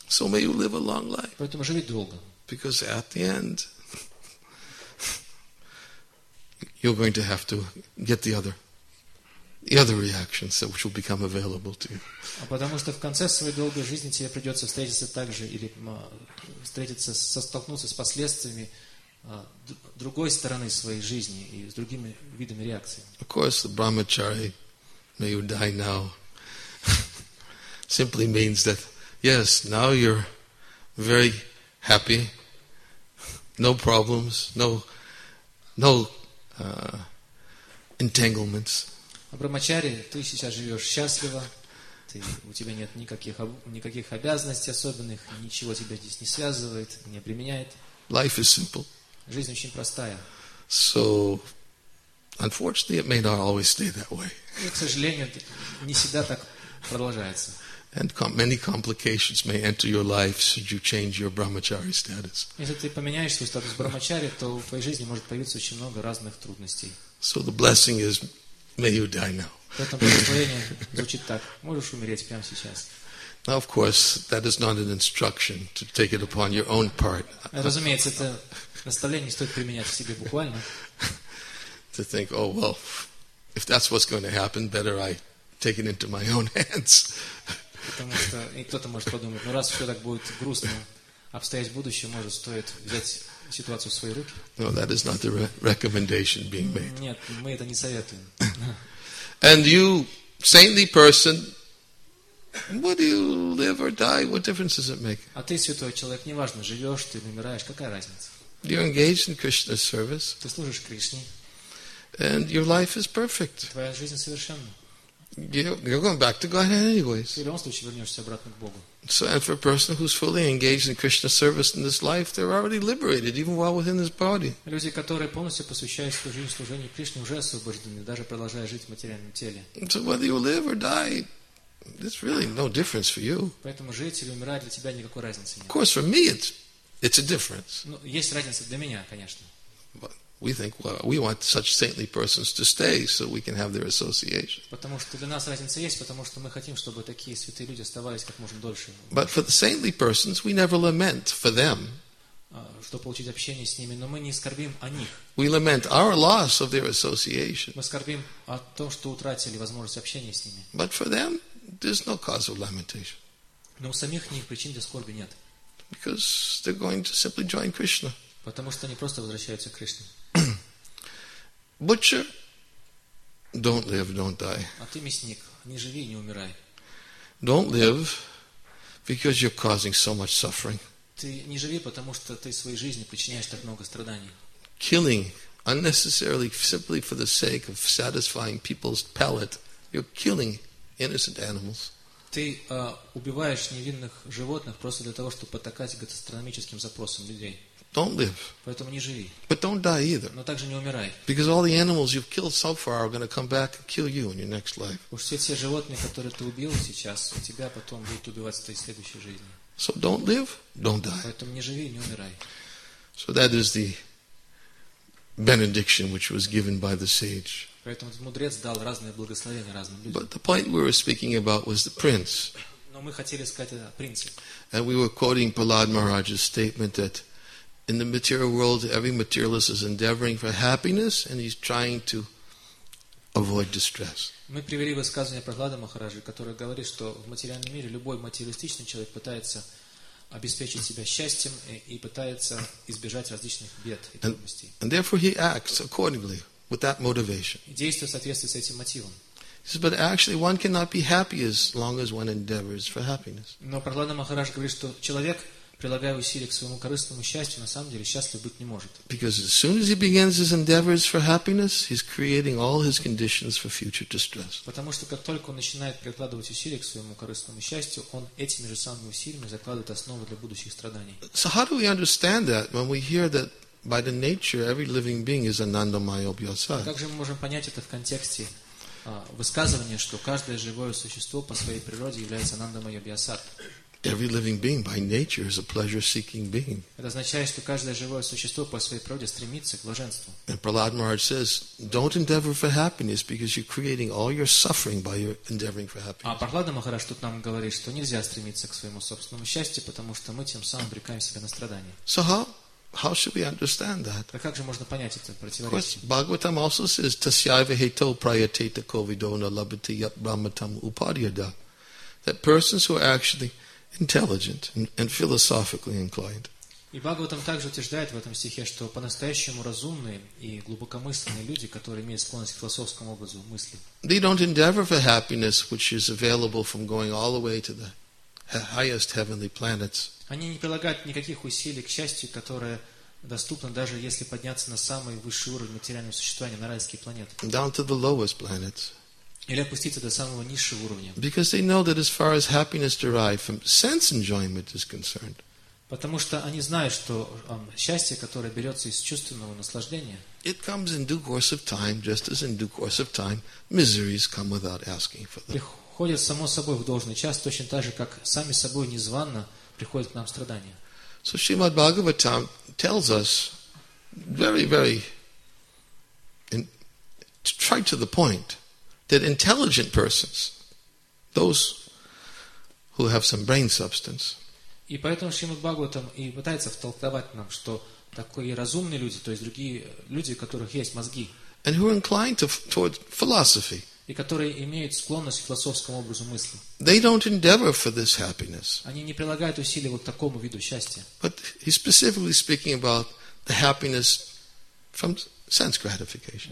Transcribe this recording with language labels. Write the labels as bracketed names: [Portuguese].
[English] So may you live a long life. [Russian] Поэтому живи долго. [English] Because at the end, you're going to have to get the other the other reactions that will become available to you. [Russian] А потому что в конце своей долгой жизни тебе придется встретиться также или встретиться, столкнуться с последствиями другой стороны своей жизни и с другими видами реакции. [English] Of course, the brahmachari, may you die now, simply means that yes, now you're very happy, no problems, no entanglements. [Russian] Брамачари, ты сейчас живешь счастливо, у тебя нет никаких обязанностей особенных, ничего тебя здесь не связывает, не применяет. [English] Life is simple. [Russian] Жизнь очень простая. [English] So, unfortunately, it may not always stay that way. [Russian] И, к сожалению, не всегда так продолжается. [English] And many complications may enter your life should you change your brahmachari status. [Russian] Если ты поменяешь свой статус брамачари, то в твоей жизни может появиться очень много разных трудностей. [English] So the blessing is, may you die now. [Russian] Это благословение звучит так: можешь умереть прямо сейчас. [English] Now, of course, that is not an instruction to take it upon your own part. [Russian] Разумеется, это наставление не стоит применять к себе буквально. [English] To think, oh well, if that's what's going to happen, better I take it into my own hands. [Russian] Потому что и кто-то может подумать: ну раз все так будет грустно обстоять в будущем, может стоит взять ситуацию в свои руки. [English] No, that is not the recommendation being made. [Russian] Нет, мы это не советуем. [English] And you, saintly person, what do you live or die? What difference does it make? [Russian] А ты святой человек, неважно, живешь ты, умираешь, какая разница? [English] You're engaged in Krishna's service. [Russian] Ты служишь Кришне. [English] And your life is perfect. [Russian] Твоя жизнь совершенна. [English] You're going back to God anyways. [Russian] В любом случае вернешься обратно к Богу. [English] So, and for a person who's fully engaged in Krishna's service in this life, they're already liberated, even while within this body. [Russian] Люди, которые полностью посвящают свою жизнь служению Кришне, уже освобождены, даже продолжая жить в материальном теле. [English] So whether you live or die, there's really no difference for you. [Russian] Поэтому жить или умирать для тебя никакой разницы нет. [English] Of course, for me, it's a difference. [Russian] Ну, есть разница для меня, конечно. [English] We think, well, we want such saintly persons to stay so we can have their association. [Russian] Потому что для нас разница есть, потому что мы хотим, чтобы такие святые люди оставались как можно дольше. [English] But for the saintly persons, we never lament for them. [Russian] Чтобы получить общение с ними, но мы не скорбим о них. [English] We lament our loss of their association. [Russian] Мы скорбим о том, что утратили возможность общения с ними. [English] But for them, there's no cause of lamentation. [Russian] Но у самих них причин для скорби нет. [English] Because they're going to simply join Krishna. [Russian] Потому что они просто возвращаются к Кришне. [English] Butcher, don't live, don't die. [Russian] А ты мясник, не живи, не умирай. [English] Don't live, because you're causing so much suffering. [Russian] Ты не живи, потому что ты своей жизнью причиняешь так много страданий. [English] Killing unnecessarily, simply for the sake of satisfying people's palate, you're killing innocent animals. [Russian] Ты убиваешь невинных животных просто для того, чтобы потакать гастрономическим запросам людей. [English] Don't live. [Russian] Поэтому не живи. [English] But don't die either. [Russian] Но также не умирай. [English] Because all the animals you've killed so far are going to come back and kill you in your next life. [Russian] Уж все животные, которые ты убил сейчас, тебя потом будут убивать в твоей следующей жизни. [English] So don't live, don't die. [Russian] Поэтому не живи, не умирай. [English] So that is the benediction which was given by the sage. [Russian] Поэтому мудрец дал разные благословения разным людям. [English] But the point we were speaking about was the prince. [Russian] Но мы хотели сказать о принце. [English] And we were quoting Prahlad Maharaj's statement that in the material world, every materialist is endeavoring for happiness, and he's trying to avoid distress. [Russian] Мы привели высказывание Прохлада Махараджи, которое говорит, что в материальном мире любой материалистичный человек пытается обеспечить себя счастьем и пытается избежать различных бед и трудностей. [English] And therefore, he acts accordingly with that motivation. [Russian] Действует в соответствии с этим мотивом. [English] He says, but actually, one cannot be happy as long as one endeavors for happiness. [Russian] Но Прохлада Махарадж говорит, что человек, прилагая усилия к своему корыстному счастью, на самом деле счастлив быть не может. [English] Because as soon as he begins his endeavors for happiness, he's creating all his conditions for future distress. [Russian] Потому что как только он начинает прикладывать усилия к своему корыстному счастью, он этими же самыми усилиями закладывает основу для будущих страданий. [English] So how do we understand that when we hear that by the nature every living being is anandamaya bhyasa? [Russian] Как же мы можем понять это в контексте высказывания, что каждое живое существо по своей природе является анандамаё бьясат? [English] Every living being by nature is a pleasure-seeking being. [Russian] Это означает, что каждое живое существо по своей природе стремится к блаженству. [English] And Prahlad Maharaj says, "Don't endeavor for happiness because you're creating all your suffering by your endeavoring for happiness." [Russian] А Прохлада Махарадж тут нам говорит, что нельзя стремиться к своему собственному счастью, потому что мы тем самым обрекаем себя на страдания. [English] So how How should we understand that? [Russian] А как же можно понять это противоречие? [Sanskrit] Бхагаватам [English] also says [Sanskrit] tasyaiva hetau prayateta kovidona labhate yat brahmatam upadhyada. [English] That persons who are actually intelligent and philosophically inclined. [Russian] И Бхагаватам также утверждает в этом стихе, что по-настоящему разумные и глубокомысленные люди, которые имеют склонность к философскому образу мысли, [English] they don't endeavor for happiness which is available from going all the way to the highest heavenly planets. [Russian] Они не прилагают никаких усилий к счастью, которое доступно даже если подняться на самый высший уровень материального существования, на райские планеты. [English] Down to the lowest planets. [Russian] Или опуститься до самого низшего уровня. [English] Because they know that as far as happiness derived from sense enjoyment is concerned. [Russian] Потому что они знают, что счастье, которое берется из чувственного наслаждения, [English] it comes in due course of time, just as in due course of time, miseries come without asking for them. [Russian] Приходит само собой в должный час, точно так же, как сами собой незванно приходят к нам страдания. [English] So Srimad Bhagavatam tells us very, very straight to the point that intelligent persons, those who have some brain substance, [Russian] и поэтому Шримад Бхагаватам и пытается втолковать нам, что такие разумные люди, то есть другие люди, у которых есть мозги, [English] and who are inclined toward philosophy, [Russian] и которые имеют склонность к философскому образу мысли, [English] they don't endeavor for this happiness. [Russian] Они не прилагают усилий вот такому виду счастья. [English] But he's specifically speaking about the happiness from sense gratification.